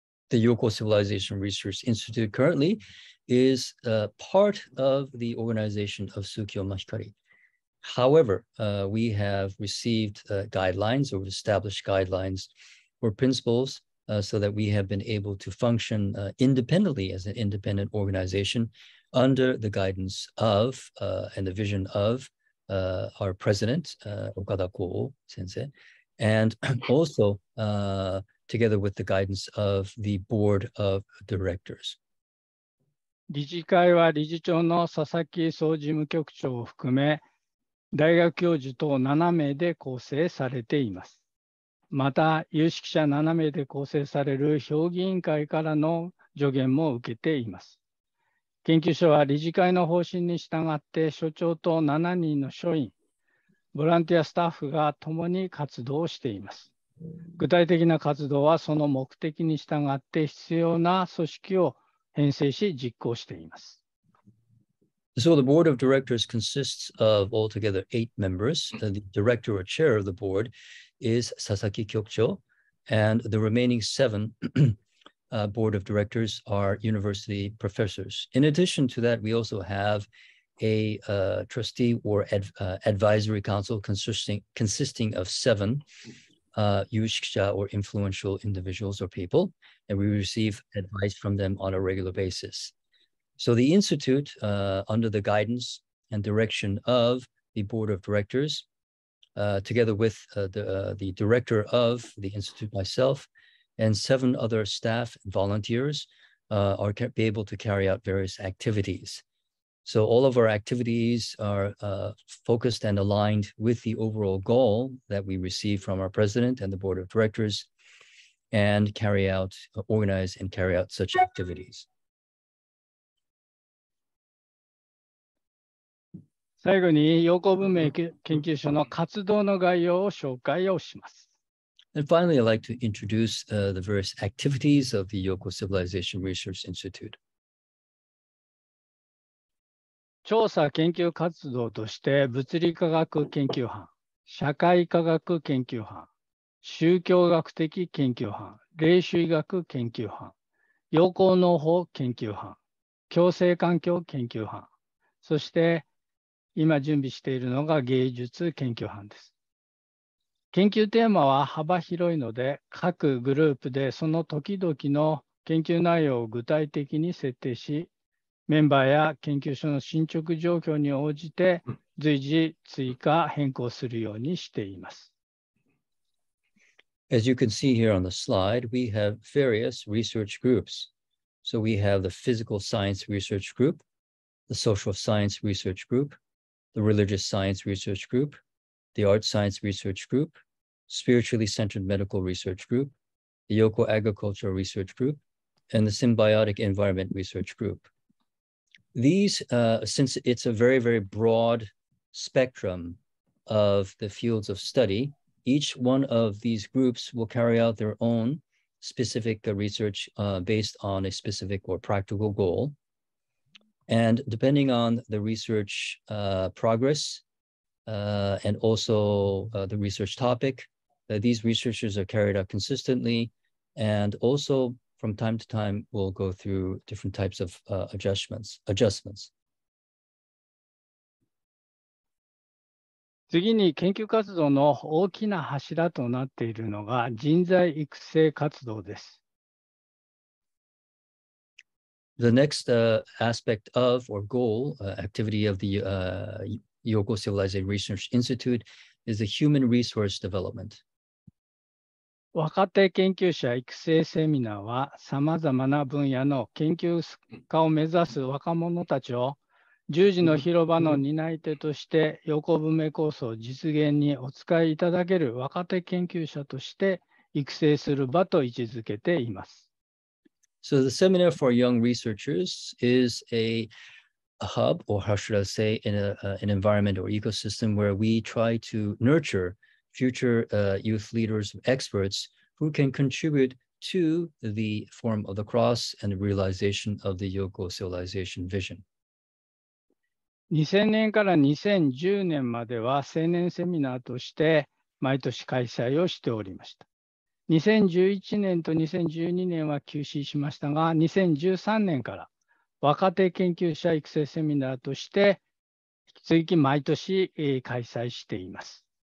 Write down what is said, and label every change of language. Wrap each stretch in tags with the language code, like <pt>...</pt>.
<en>The Yoko Civilization Research Institute currently is a part of the organization of Sukyo Mahikari. However, we have received guidelines or established guidelines or principles so that we have been able to function independently as an independent organization. Under the guidance of and the vision of our president, Okada Kuo Sensei, and also together with the guidance of the board of directors.</en> <ja>理事会は理事長の佐々木総事務局長を含め、大学教授等7名で構成されています。また、有識者7名で構成される評議員会からの助言も受けています。研究所は理事会の方針に従って所長と7人の所員、ボランティアスタッフが共に活動しています。具体的な活動はその目的に従って必要な組織を編成し実行しています。</ja> <en>So the board of directors consists of altogether 8 members. The director or chair of the board is Sasaki Kyokucho, and the remaining 7 board of directors are university professors. In addition to that, we also have a trustee or advisory council consisting of 7 yushikisha or influential individuals or people, and we receive advice from them on a regular basis. So the institute, under the guidance and direction of the board of directors, together with the director of the institute myself,And 7 other staff volunteers are be able to carry out various activities. So all of our activities are focused and aligned with the overall goal that we receive from our president and the board of directors and carry out, organize and carry out such activities.</en> <ja>最後に陽光文明研究所の活動の概要を紹介をします。</ja> <en>And finally, I'd like to introduce the various activities of the Yoko Civilization Research Institute.</en> <ja>調査研究活動として物理科学研究班、社会科学研究班、宗教学的研究班、霊主義学研究班、陽光農法研究班、共生環境研究班、そして今準備しているのが芸術研究班です。研究テーマは幅広いので、各グループでその時々の研究内容を具体的に設定し、メンバーや研究所の進捗状況に応じて随時追加変更するようにしています。</ja> <en>As you can see here on the slide, we have various research groups. So we have the physical science research group, the social science research group, the religious science research group,the art science research group, spiritually centered medical research group, the Yoko agricultural research group, and the symbiotic environment research group. These, since it's a very, very broad spectrum of the fields of study, each one of these groups will carry out their own specific research based on a specific or practical goal. And depending on the research progress,and also the research topic. These researchers are carried out consistently and also from time to time will go through different types of adjustments.</en> <ja>次に研究活動の大きな柱となっているのが人材育成活動です。</ja> <en>The next aspect of or goal activity of the Yoko Civilization Research Institute is the human resource development.</en> <ja>若手研究者育成セミナーは、さまざまな分野の研究家を目指す若者たちを十字の広場の担い手として、横文明構想実現にお使いいただける若手研究者として育成する場と位置づけています。</ja> <en>So the seminar for young researchers is a hub, or how should I say, an environment or ecosystem where we try to nurture future youth leaders, experts who can contribute to the form of the cross and the realization of the Yoko civilization vision.</en> <ja>2000年から2010年までは青年セミナーとして毎年開催をしておりました。 2011年と2012年は休止しましたが、2013年から若手研究者育成セミナーとして引き続き毎年開催しています。</ja>